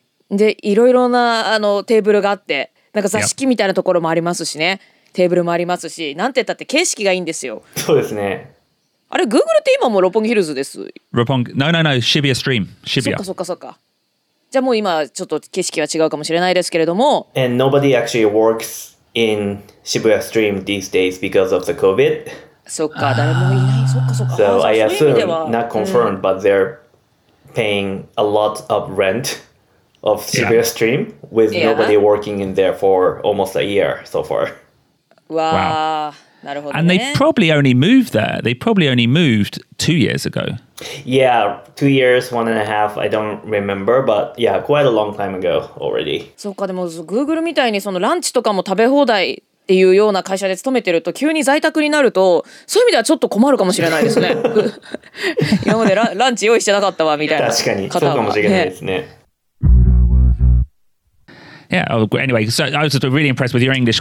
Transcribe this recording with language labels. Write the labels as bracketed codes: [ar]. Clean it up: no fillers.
[ja] で、いろいろなあのテーブルがあって、なんか座敷みたいなところもありますしね。テーブルもありますし、なんて言ったって景色がいいんですよ。そうですね。あれ、Google って今もロポンギヒルズです。 [en] ロポン、No, Shibuya Stream. Shibuya. [ja] そっかそっかそっか。じゃあもう今ちょっと景色は違うかもしれないですけれども。 [en] And nobody actually works in Shibuya Stream these days because of the COVID. [ja] そっか、誰もいない。そっかそっか。 [en] So I assume, not confirmed, but they're paying a lot of rent of Shibuya Stream with nobody working in there for almost a year so far. [ja] Wow. なるほどね。 [en] And they probably only moved there. They probably only moved 2 years ago. Yeah, 2 years, one and a half, I don't remember, but yeah, quite a long time ago already. [ja] そうか、でも Google みたいにそのランチとかも食べ放題っていうような会社で勤めてると急に在宅になるとそういう意味ではちょっと困るかもしれないですね。今までランチ用意してなかったわみたいな。確かに、そうかもしれないですね。 [en] Yeah, oh, anyway, so I was really impressed with your English.